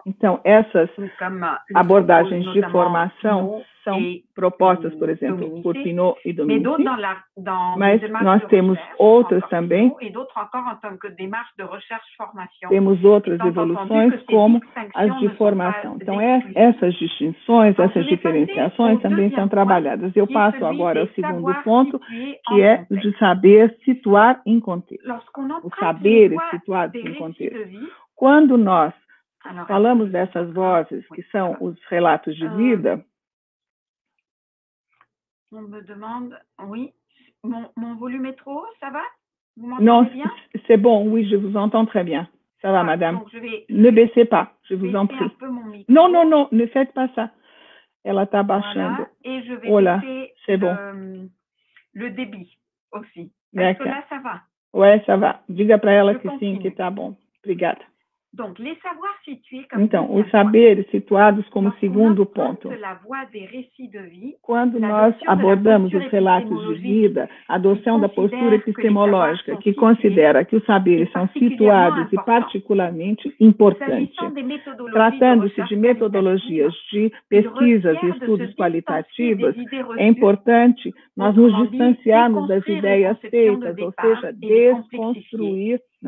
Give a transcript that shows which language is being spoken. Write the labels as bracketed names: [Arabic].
[Portuguese] Então, essas abordagens de [French] formation sont propostas, par exemple, pour Pinault et Dominici. Mais nous avons d'autres aussi. Et d'autres encore en tant que démarche de recherche formation. Nous avons d'autres évolutions comme les de formation. Donc, ces distinctions, ces différenciations sont aussi travaillées. Je passe maintenant au second point. [Portuguese] Ponto que é de saber situar em contexto. O saber situado em contexto. Quando nós falamos dessas vozes que são os relatos de vida, [French] on me demande, oui, mon volume est trop haut, ça va? Non, c'est bon, oui, je vous entends très bien. Ça va, madame. Ne baissez pas, je vous en prie. Non, non, non, ne faites pas ça. [Portuguese] Ela está baixando. Olá, [French] c'est bon. Le débit aussi. Est-ce que là, ça va? Oui, ça va. [Portuguese] Diga para ela que sim, que tá bom. Obrigada. [French] Donc, les savoirs situés comme [Portuguese] então, os saberes situados como segundo ponto. [French] La voie des récits de vie, [Portuguese] quando nós abordamos os relatos de vida, a adoção da postura epistemológica, que considera que os saberes são situados e particularmente importantes. Tratando-se de metodologias de pesquisas e estudos qualitativos, é importante nós nos distanciarmos das ideias feitas, ou seja, desconstruir